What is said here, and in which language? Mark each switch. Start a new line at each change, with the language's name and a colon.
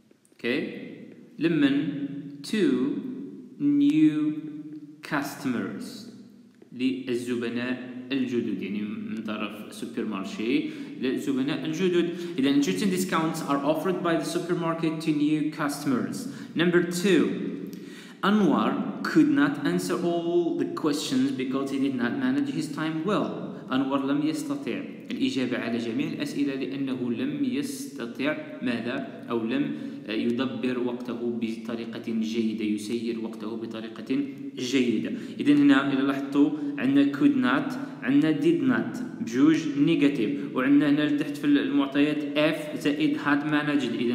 Arabic: اوكي
English: لمن to new customers
Arabic: للزبناء الجدد يعني من طرف سوبر مارشي للزبناء الجدد. اذا
English: Interesting discount are offered by the supermarket to new customers. Number 2 انوار could not answer all the questions because he did not manage his time well.
Arabic: Anwar لم يستطيع الإجابة على جميع الأسئلة لأنه لم يستطع ماذا أو لم يدبر وقته بطريقة جيدة يسير وقته بطريقة جيدة. إذن هنا إذا لاحظتوا عندنا
English: could not
Arabic: عندنا
English: did not
Arabic: بجوج نيجاتيف وعندنا هنا تحت في المعطيات F زائد had managed.